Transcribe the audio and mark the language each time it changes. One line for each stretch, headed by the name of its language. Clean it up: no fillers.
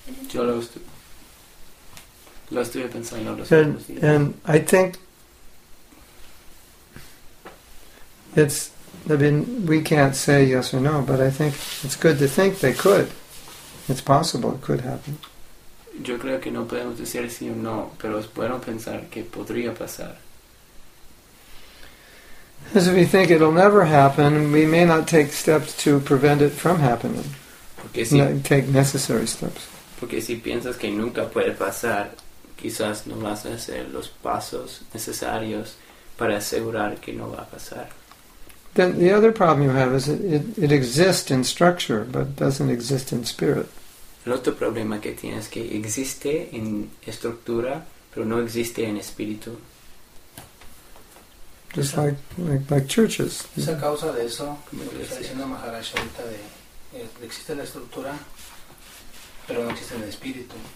Spanish: Yo lo estuve pensando los últimos días.
English: And I think it's, I mean, we can't say yes or no, but I think it's good to think they could. It's possible it could happen.
Spanish: Yo creo que no podemos decir sí o no, pero es bueno pensar que podría pasar.
English: As if we think it'll never happen, we may not take steps to prevent it from happening.
Spanish: Porque si
English: take necessary steps.
Spanish: Porque si piensas que nunca puede pasar, quizás no vas a hacer los pasos necesarios para asegurar que no va a pasar.
English: Then the other problem you have is it exists in structure, but doesn't exist in spirit.
Spanish: El otro problema que tienes es que existe en estructura, pero no existe en espíritu.
English: Just like churches.
Spanish: Esa causa de eso, como lo está diciendo Maharaj ahorita, de existe la estructura, pero no existe en espíritu.